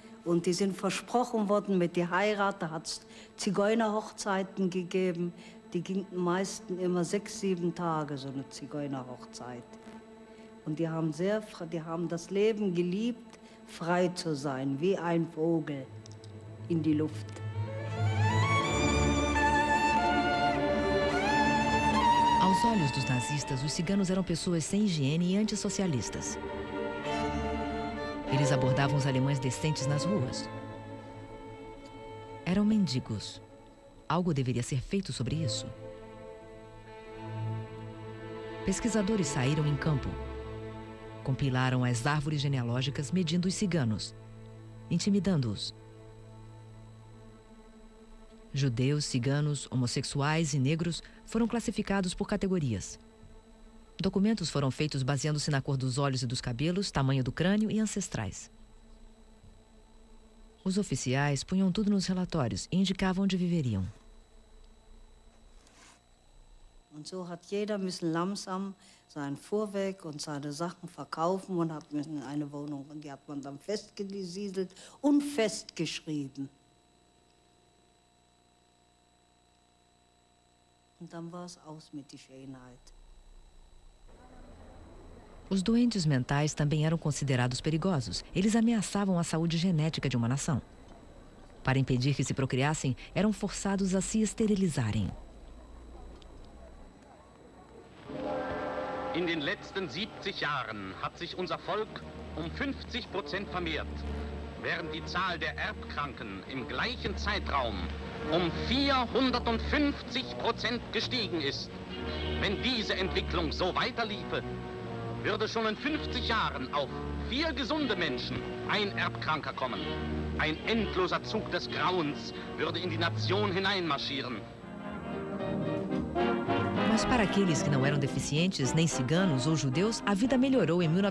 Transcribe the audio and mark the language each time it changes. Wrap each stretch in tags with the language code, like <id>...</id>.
<de>Und die sind versprochen worden mit der Heirat. Da hat es Zigeunerhochzeiten gegeben. Die gingen meistens immer 6-7 Tage, so eine Zigeunerhochzeit. Und die haben das Leben geliebt, frei zu sein, wie ein Vogel in die Luft.</de> <pt>Aos olhos dos nazistas, os ciganos eram pessoas sem higiene e antissocialistas. Eles abordavam os alemães decentes nas ruas. Eram mendigos. Algo deveria ser feito sobre isso. Pesquisadores saíram em campo. Compilaram as árvores genealógicas medindo os ciganos, intimidando-os. Judeus, ciganos, homossexuais e negros foram classificados por categorias. Documentos foram feitos baseando-se na cor dos olhos e dos cabelos, tamanho do crânio e ancestrais. Os oficiais punham tudo nos relatórios e indicavam onde viveriam.</pt> <de>Und so hat jeder müssen langsam sein Fuhrwerk und seine Sachen verkaufen und hat müssen eine Wohnung und die hat man dann festgesiedelt und festgeschrieben. Und dann war es aus mit der Schönheit.</de> <pt>Os doentes mentais também eram considerados perigosos. Eles ameaçavam a saúde genética de uma nação. Para impedir que se procriassem, eram forçados a se esterilizarem.</pt> <de>In den letzten 70 Jahren hat sich unser Volk um 50% vermehrt, während die Zahl der Erbkranken im gleichen Zeitraum um 450% gestiegen ist. Wenn diese Entwicklung so weiterliefe, würde schon in 50 Jahren auf 4 gesunde Menschen ein Erbkranker kommen. Ein endloser Zug des Grauens würde in die Nation hineinmarschieren.</de> <pt>Mas para aqueles que não eram deficientes, nem ciganos ou judeus, a vida melhorou em</pt>